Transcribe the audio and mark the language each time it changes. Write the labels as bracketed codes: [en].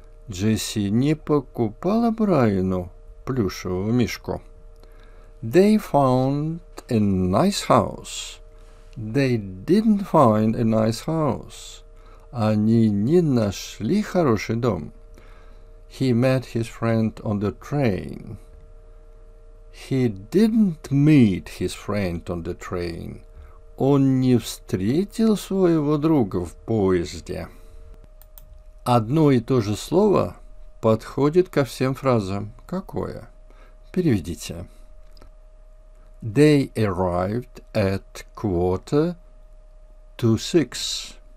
[ru] Jesse не покупала Брайану плюшевого мишку. [en] They found a nice house. They didn't find a nice house. [ru] Они не нашли хороший дом. [en] He met his friend on the train. He didn't meet his friend on the train. [ru] Он не встретил своего друга в поезде. Одно и то же слово подходит ко всем фразам. Какое? Переведите. [en] They arrived at 5:45.